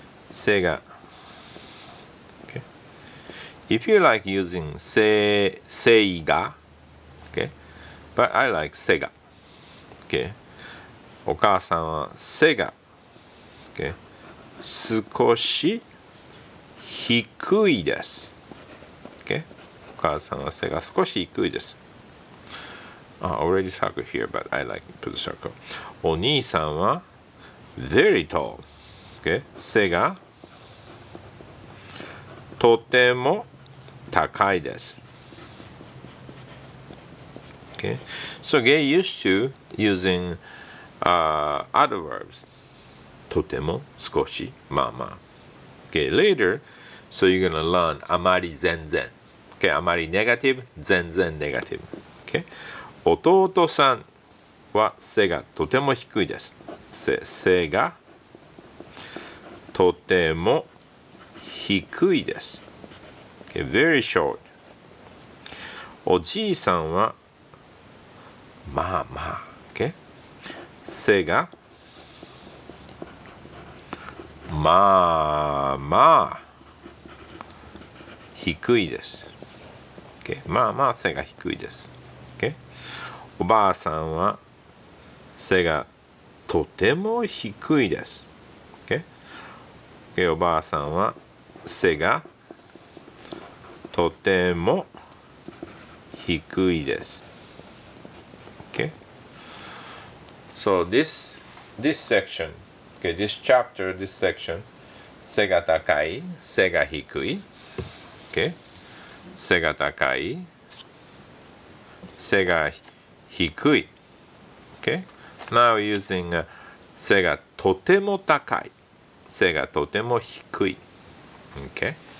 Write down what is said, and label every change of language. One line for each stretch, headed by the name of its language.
English: 背が、okay? If you like using 背が, okay? But I like 背が, okay?
Japanese: お母さんは背が,
English: okay?
Japanese: 少し低いです。 Okay? お母さんは背が少し低いです。
English: Already circle here, but I like to put the circle.
Japanese: お兄さんは
English: very tall.
Japanese: Okay? 背がとても高いです。
English: Okay? So get used to using adverbs.
Japanese: とても、少し、まあまあ。
English: Okay, later, so you're gonna learn
Japanese: あまり全然。 Okay, あまりネガティブ、全然ネガティブ。
English: Okay?
Japanese: 弟さんは背がとても低いです。背がとても低いです。
English: Okay, very short.
Japanese: おじいさんはまあまあ。
English: Okay?
Japanese: 背がまあまあ低いです。
English: Okay?
Japanese: まあまあ背が低いです。
English: Okay?
Japanese: おばあさんは背がとても低いです。
English: Okay?
Japanese: Okay? おばあさんは背がとても低いです。
English: Okay? So this section. Okay, this chapter, this section,
Japanese: 背が高い、背が低い、
English: okay?
Japanese: 背が高い、背が低い、okay?
English: Now we're using
Japanese: 背がとても高い、背がとても低い、
English: okay?